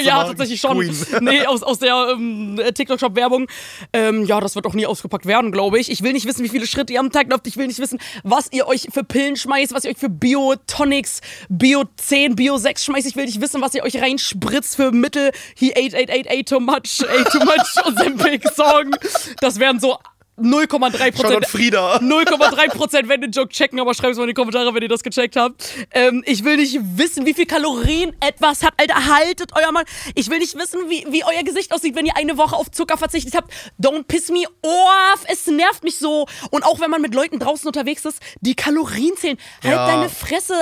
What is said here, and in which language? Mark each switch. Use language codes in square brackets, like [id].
[de] Ja, tatsächlich schon. Queen. Nee, aus der TikTok-Shop-Werbung. Das wird auch nie ausgepackt werden, glaube ich. Ich will nicht wissen, wie viele Schritte ihr am Tag läuft. Ich will nicht wissen, was ihr euch für Pillen schmeißt, was ihr euch für Bio-Tonics, Bio-10, Bio-6 schmeißt. Ich will nicht wissen, was ihr euch reinspritzt für Mittel. [en] He ate, ate, ate, ate too much, ate too much. [de] Ozempic Song. Das wären so... 0,3%. Schon Frieda. 0,3% wenn den Joke checken, aber schreibt es mal in die Kommentare, wenn ihr das gecheckt habt. Ich will nicht wissen, wie viel Kalorien etwas hat. Alter, haltet euer Mann. Ich will nicht wissen, wie euer Gesicht aussieht, wenn ihr eine Woche auf Zucker verzichtet habt. [en] Don't piss me off. [de] Es nervt mich so. Und auch wenn man mit Leuten draußen unterwegs ist, die Kalorien zählen. Halt deine Fresse.